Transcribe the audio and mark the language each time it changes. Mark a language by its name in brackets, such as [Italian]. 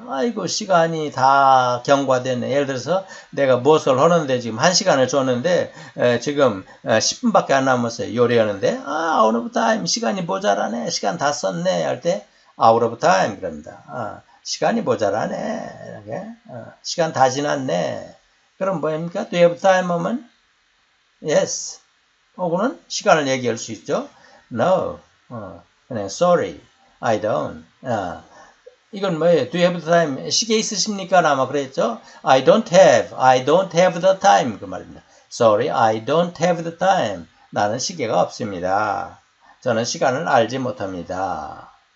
[Korean] 아이고, 시간이 다 경과됐네. 예를 들어서 내가 무엇을 하는데 지금 1시간을 줬는데 지금 10분밖에 안 남았어요. 요리하는데 아, [English] out of time. [Korean] 시간이 모자라네. 시간 다 썼네. 할때 [English] out of time [Korean] 그럽니다. 시간이 모자라네. 이렇게. 시간 다 지났네. 그럼 뭐입니까? [English] Do you have time [Korean] 하면? [English] Yes. [Korean] 혹은 시간을 얘기할 수 있죠. [English] No. [Korean] 그냥 [English] sorry. I don't. [Korean] 이건 뭐예요? [English] Do you have the time? [Korean] 시계 있으십니까? 아마 그랬죠? [English] I don't have the time. [Korean] 그 말입니다. [English] Sorry, I don't have the time. [Korean] 나는 시계가 없습니다. 저는 시간을 알지 못합니다.